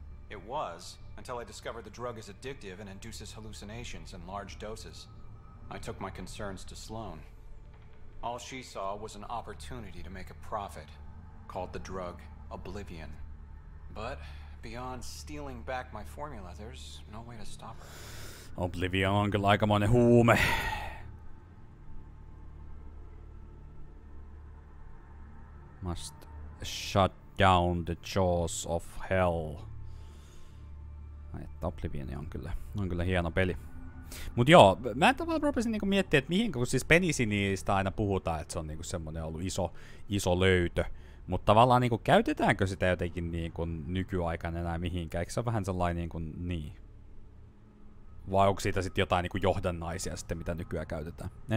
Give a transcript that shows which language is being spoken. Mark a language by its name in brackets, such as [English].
[English] It was, until I discovered the drug is addictive and induces hallucinations in large doses. I took my concerns to Sloane. All she saw was an opportunity to make a profit, called the drug Oblivion. But beyond stealing back my formula, there's no way to stop her. [Finnish] Oblivion on kyllä aikamoinen huume. [English] Must shut down the jaws of hell. [Finnish] Että Oblivion on kyllä hieno peli. Mut joo, mä tavallaan rupesin niinku miettiä, että mihin, kun siis penisiniistä aina puhutaan, että se on niinku semmonen ollut iso löytö. Mut tavallaan niinku käytetäänkö sitä jotenkin niinku nykyaikana enää mihinkään? Eikö se ole vähän sellainen niinku niin? Vai onko siitä sitten jotain niinku johdannaisia sitten, mitä nykyään käytetään?